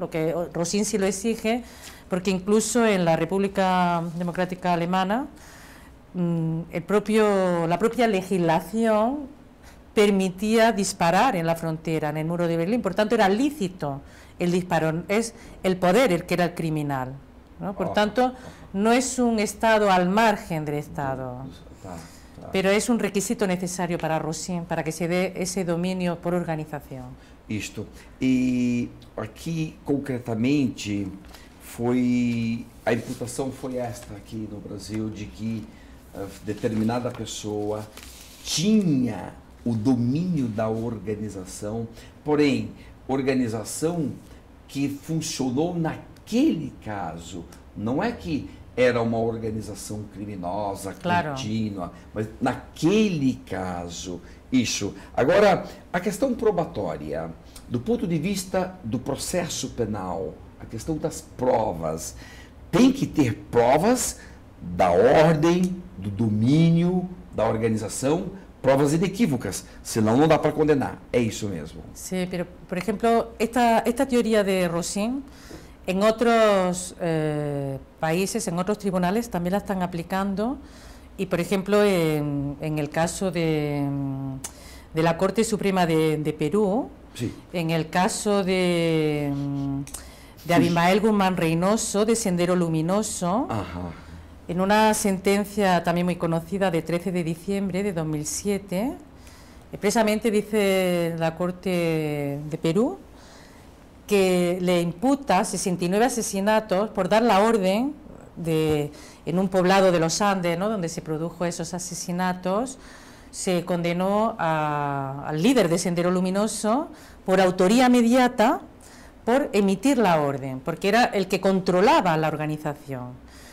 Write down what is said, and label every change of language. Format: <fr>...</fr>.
<es>Lo que Rosin sí lo exige, porque incluso en la República Democrática Alemana la propia legislación permitía disparar en la frontera, en el muro de Berlín. Por tanto, era lícito el disparo. Es el poder el que era el criminal, ¿no? Por tanto, no es un Estado al margen del Estado. Pero es un requisito necesario para Rosin, para que se dé ese dominio por organización.</es> <pt>Isto.</pt> <es>Y aquí, concretamente, fue la imputación fue esta aquí en Brasil, de que determinada persona tenía</es> <pt>o domínio da organização, porém, organização que funcionou naquele caso, não é que era uma organização criminosa, claro, contínua, mas naquele caso, isso. Agora, a questão probatória, do ponto de vista do processo penal, a questão das provas, tem que ter provas da ordem, do domínio, da organização, provas inequívocas, senão não dá para condenar. É isso mesmo. Sim,</pt> <es>sí, pero</es> <pt>por exemplo, esta teoria de Rosin, em outros países, em outros</pt> <es>tribunales,</es> <pt>também la estão aplicando. E, por exemplo, em</pt> <es>el caso de la Corte Suprema de Perú, sí, en el caso de Abimael Guzmán Reynoso, de Sendero Luminoso, ajá, en una sentencia también muy conocida de 13 de diciembre de 2007, expresamente dice la Corte de Perú que le imputa 69 asesinatos por dar la orden de, en un poblado de los Andes, ¿no?, donde se produjo esos asesinatos, se condenó al líder de Sendero Luminoso por autoría mediata por emitir la orden, porque era el que controlaba la organización.</es>